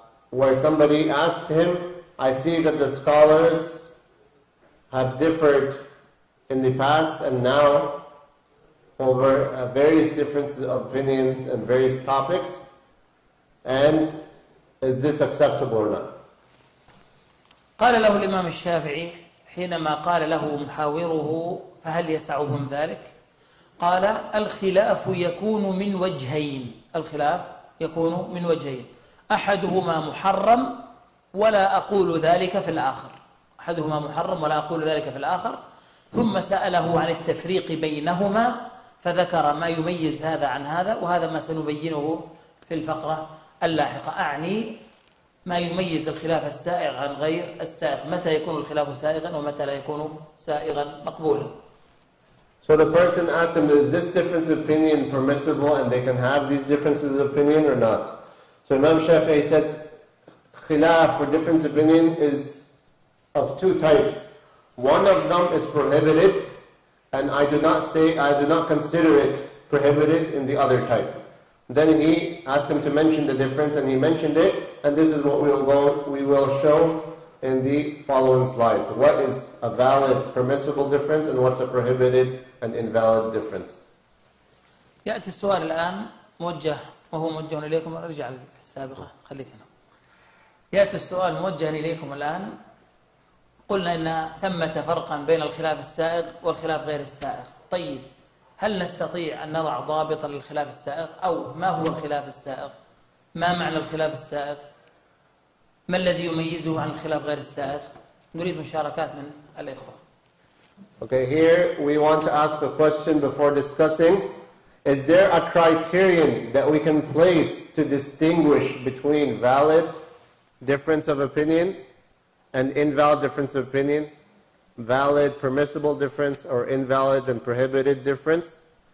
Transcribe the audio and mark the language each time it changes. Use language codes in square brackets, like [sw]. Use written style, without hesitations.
[en] where somebody asked him, I see that the scholars have differed in the past and now over various differences of opinions and various topics, and is this acceptable or not? [ar] قال له الإمام الشافعي حينما قال له محاوره فهل يسعهم ذلك؟ قال الخلاف يكون من وجهين الخلاف يكون من وجهين أحدهما محرم ولا أقول ذلك في الآخر أحدهما محرم ولا أقول ذلك في الآخر ثم سأله عن التفريق بينهما فذكر ما يميز هذا عن هذا وهذا ما سنبينه في الفقرة اللاحقة أعني ما يميز الخلاف السائغ عن غير السائغ متى يكون الخلاف سائغا ومتى لا يكون سائغا مقبولا [en] So the person asked him, is this difference of opinion permissible and they can have these differences of opinion or not? So Imam Shafi'i said, khilaf or difference of opinion is of two types. One of them is prohibited, and I do not consider it prohibited in the other type. Then he asked him to mention the difference, and he mentioned it, and this is what we will show in the following slides. What is a valid, permissible difference, and what's a prohibited and invalid difference? [ar] يأتي السؤال الآن موجه وهو موجه إليكم أرجع للسابقة خليك هنا يأتي السؤال موجه إليكم الآن قلنا إن ثمة فرقا بين الخلاف السائغ والخلاف غير السائغ طيب هل نستطيع أن نضع ضابطا للخلاف السائغ أو ما هو الخلاف السائغ ما معنى الخلاف السائغ ما الذي يميزه عن الخلاف غير السائغ نريد مشاركات من الإخوة [en] Okay, here we want to ask a question before discussing Is there a criterion that we can place to distinguish between valid difference of opinion and invalid difference of opinion? Valid permissible difference or invalid and prohibited difference?